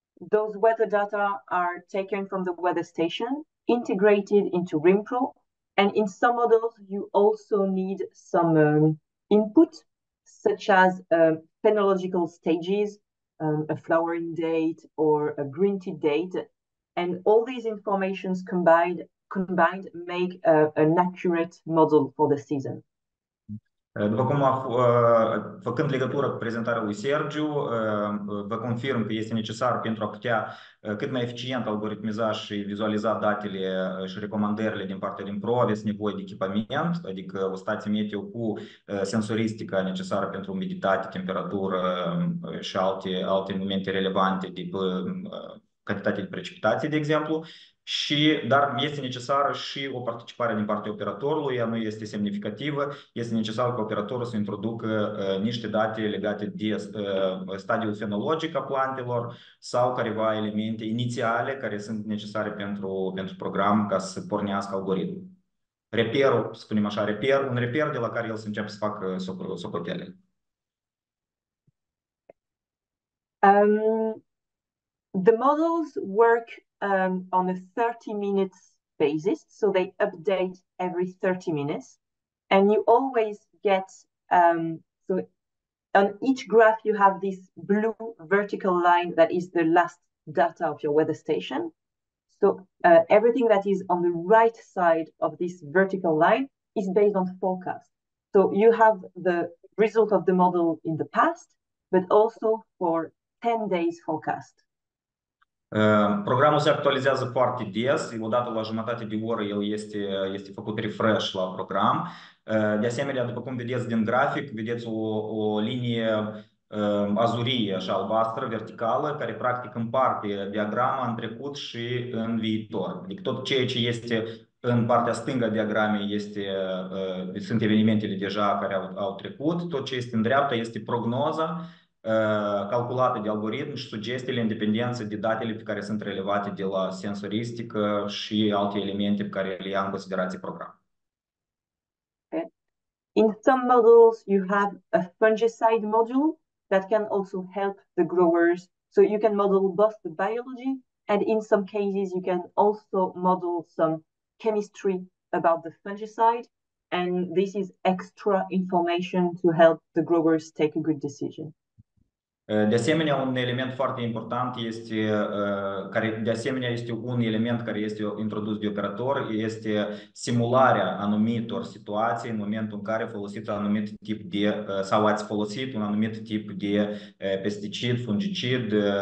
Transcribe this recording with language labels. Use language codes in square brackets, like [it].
[en] Those weather data are taken from the weather station, integrated into RIMPRO, and in some models you also need some input such as phenological stages, a flowering date or a green tea date, and all these informations combined make an accurate model for the season. [ro] După cum făcând legătură cu prezentarea lui Sergiu, vă confirm că este necesar pentru a putea cât mai eficient algoritmiza și vizualiza datele și recomandările din partea din RIMPRO, aveți nevoie de echipament, adică o stație meteo cu sensoristica necesară pentru umiditate, temperatură și alte momente relevante de cantitate de precipitații, de exemplu. Și dar este necesară și o participare din partea operatorului, ea nu este semnificativă, este necesar ca operatorul să introducă niște date legate de stadiul fenologic a plantelor sau careva elemente inițiale care sunt necesare pentru program ca să pornească algoritmul. Reperul, spunem așa, un reper de la care el să începe să facă socotelele. [en] The models work on a 30-minute basis, so they update every 30 minutes. And you always get, so on each graph, you have this blue vertical line that is the last data of your weather station. So everything that is on the right side of this vertical line is based on forecast. So you have the result of the model in the past, but also for 10 days forecast. [ro] Programul se actualizează foarte des, odată la jumătate de oră el este făcut refresh la program. De asemenea, după cum vedeți din grafic, vedeți o linie azurie, așa, albastră, verticală, care practic împarte diagrama în trecut și în viitor. Adică tot ceea ce este în partea stângă a diagramei sunt evenimentele deja care au trecut, tot ce este în dreapta este prognoza calculată de algoritm și sugestiile în dependență de datele pe care sunt relevate de la sensoristică și alte elemente pe care le ia în considerație program. [en] In some models, you have a fungicide module that can also help the growers. So you can model both the biology and in some cases, you can also model some chemistry about the fungicide. And this is extra information to help the growers take a good decision. [ro] De asemenea, un element foarte important este, care de asemenea este un element care este introdus de operator, este simularea anumitor situații în momentul în care folosiți un anumit tip de, sau ați folosit un anumit tip de pesticid, fungicid,